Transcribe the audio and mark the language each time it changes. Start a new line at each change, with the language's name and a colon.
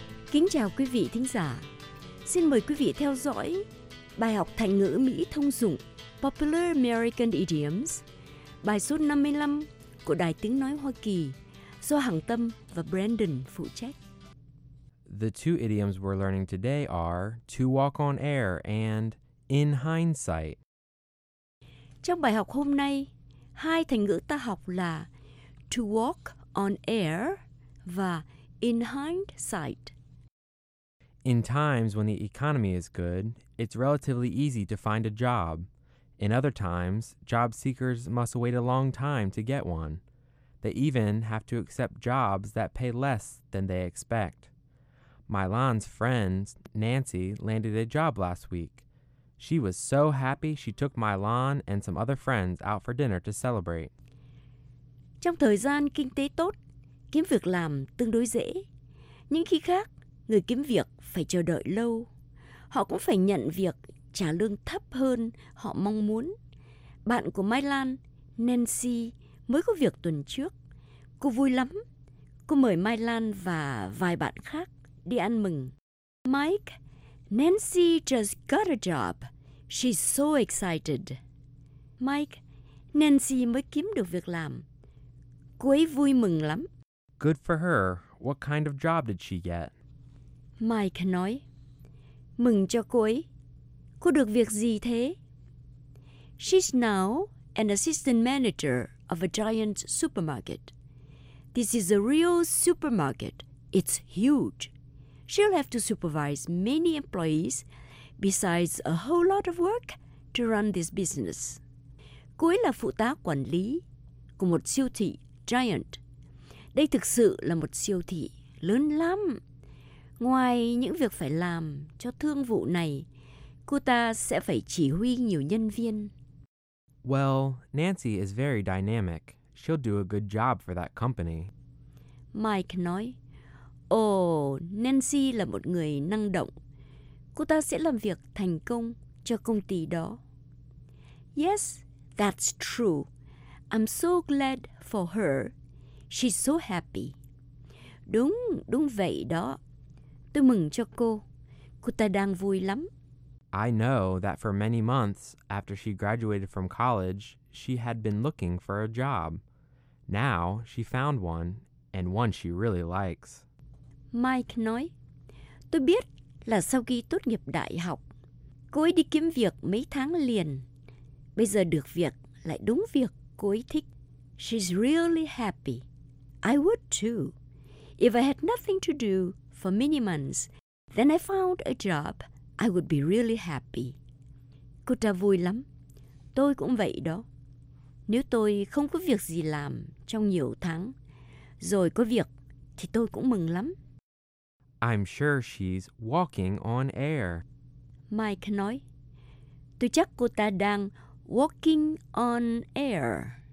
Vietnamese: Kính chào quý vị thính giả. Xin mời quý vị theo dõi bài học thành ngữ Mỹ thông dụng Popular American Idioms, bài số 55 của Đài Tiếng Nói Hoa Kỳ do Hằng Tâm và Brandon phụ trách.
English: The two idioms we're learning today are to walk on air and In hindsight.
Vietnamese: Trong bài học hôm nay, hai thành ngữ ta học là
English: to walk on air
Vietnamese: và
English: in hindsight. In times when the economy is good, it's relatively easy to find a job. In other times, job seekers must wait a long time to get one. They even have to accept jobs that pay less than they expect. Milan's friend, Nancy, landed a job last week. She was so happy she took Milan and some other friends out for dinner to celebrate.
Vietnamese: Trong thời gian kinh tế tốt, kiếm việc làm tương đối dễ. Những khi khác, người kiếm việc phải chờ đợi lâu. Họ cũng phải nhận việc trả lương thấp hơn họ mong muốn. Bạn của Milan, Nancy, mới có việc tuần trước. Cô vui lắm. Cô mời Milan và vài bạn khác đi ăn mừng.
English: Mike, Nancy just got a job. She's so excited.
Vietnamese: Mike, Nancy mới kiếm được việc làm. Cô ấy vui mừng lắm.
English: Good for her. What kind of job did she get?
Vietnamese: Mike nói, mừng cho cô ấy. Cô được việc gì thế?
English: She's now an assistant manager of a giant supermarket. This is a real supermarket. It's huge. She'll have to supervise many employees besides a whole lot of work to run this business.
Vietnamese: Cô ấy là phụ tá quản lý của một siêu thị giant. Đây thực sự là một siêu thị lớn lắm. Ngoài những việc phải làm cho thương vụ này, cô ta sẽ phải chỉ huy nhiều nhân viên.
English: Well, Nancy is very dynamic. She'll do a good job for that company.
Vietnamese: Mike nói, Nancy là một người năng động. Cô ta sẽ làm việc thành công cho công ty đó.
English: Yes, that's true. I'm so glad for her. She's so happy.
Vietnamese: Đúng, đúng vậy đó. Tôi mừng cho cô. Cô ta đang vui lắm.
English: I know that for many months after she graduated from college, she had been looking for a job. Now she found one, and one she really likes.
Vietnamese: Mike nói, tôi biết là sau khi tốt nghiệp đại học, cô ấy đi kiếm việc mấy tháng liền. Bây giờ được việc lại đúng việc cô ấy thích.
English: She's really happy. I would too. If I had nothing to do for many months, then I found a job, I would be really happy.
Vietnamese: Cô ta vui lắm. Tôi cũng vậy đó. Nếu tôi không có việc gì làm trong nhiều tháng, rồi có việc, thì tôi cũng mừng lắm.
English: I'm sure she's walking on air.
Vietnamese: Mike nói, tôi chắc cô ta đang
English: walking on air.